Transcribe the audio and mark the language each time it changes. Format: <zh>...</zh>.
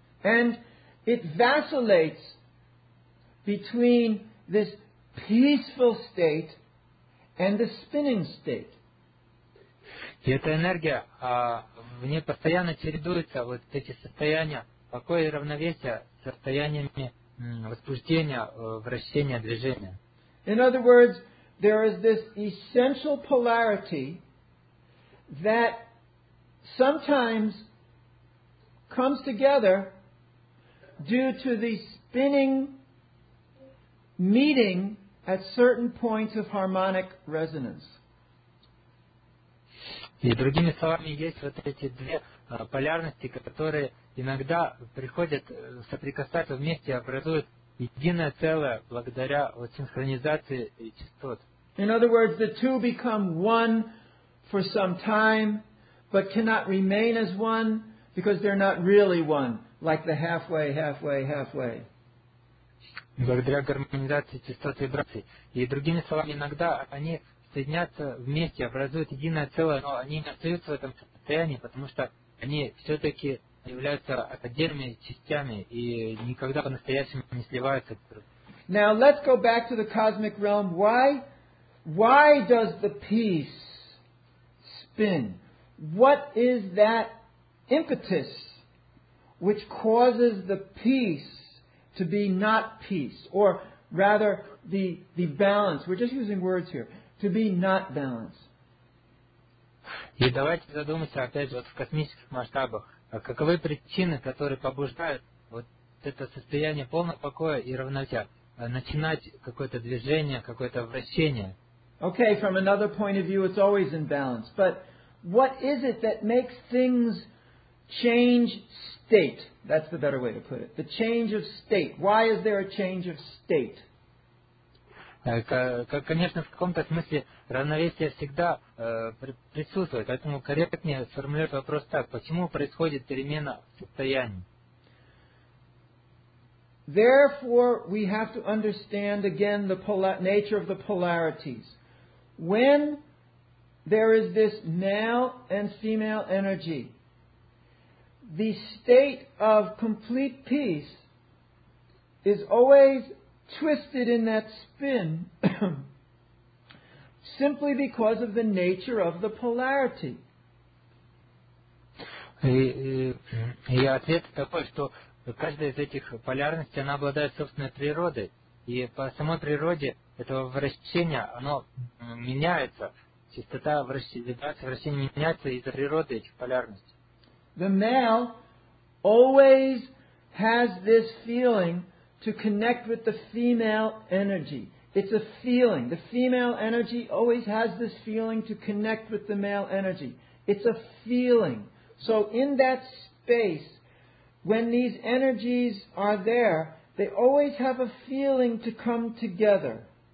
<en>And it vacillates between this peaceful state and the spinning state.</en> <ru>И эта энергия, в ней постоянно чередуются вот эти состояния покоя и равновесия с состояниями возбуждения, вращения, движения.</ru> <en>In other words, there is this essential polarity that sometimes comes together due to the spinning meeting at certain points of harmonic resonance.</en> <ru>И другими словами, есть вот эти две полярности, которые иногда приходят соприкасаться вместе и образуют единое целое благодаря вот синхронизации частот.</ru> <en>In other words, the two become one for some time, but cannot remain as one because they're not really one, like the halfway, halfway, halfway.</en> <ru>Благодаря гармонизации частот вибраций. И другими словами, иногда они соединяются вместе, образуют единое целое, но они не остаются в этом состоянии, потому что они все-таки являются отдельными частями и никогда по-настоящему не сливаются.</ru> <en>Now let's go back to the cosmic realm. Why does the peace spin? What is that impetus which causes the peace to be not peace, or rather the balance? We're just using words here. To be not balanced.</en> <ru>И давайте задумаемся опять же вот в космических масштабах. Каковы причины, которые побуждают вот это состояние полного покоя и равновесия начинать какое-то движение, какое-то вращение?</ru> <en>Okay, from another point of view, it's always in balance. But what is it that makes things change state? That's the better way to put it. The change of state. Why is there a change of state?</en> <ru>Конечно, в каком-то смысле равновесие всегда присутствует, поэтому корректнее сформулировать вопрос так: почему происходит перемена в состоянии?</ru> <en>Therefore, we have to understand again the nature of the polarities. When there is this male and female energy, the state of complete peace is always twisted in that spin simply because of the nature of the polarity.</en> <ru>И ответ такой, что каждая из этих полярностей, она обладает собственной природой. И по самой природе этого вращения, оно меняется. Частота вращения меняется из-за природы этих полярностей.</ru> <en>The male always has this feeling to connect with the female energy. It's a feeling. The female energy always has this feeling to connect with the male energy. It's a feeling. So in that space, when these energies are there, they always have a feeling to come together.</en>